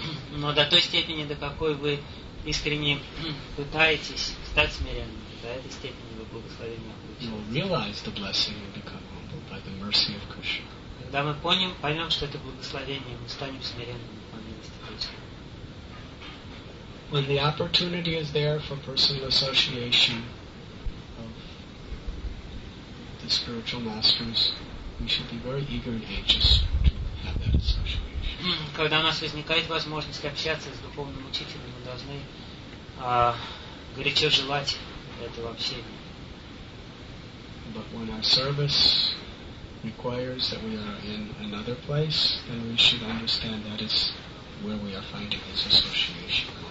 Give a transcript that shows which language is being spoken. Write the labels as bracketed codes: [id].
[ru] Но до той степени, до какой вы искренне пытаетесь стать смиренным, до этой степени вы благословение получите. Когда мы поймем, что это благословение, мы станем смиренными по милости Кришны. [en] When the opportunity is there for personal association of the spiritual masters, we should be very eager and anxious to have that association. [ru] Когда у нас возникает возможность общаться с духовным учителем, мы должны горячо желать этого общения. [en] But when our service requires that we are in another place, then we should understand that is where we are finding this association.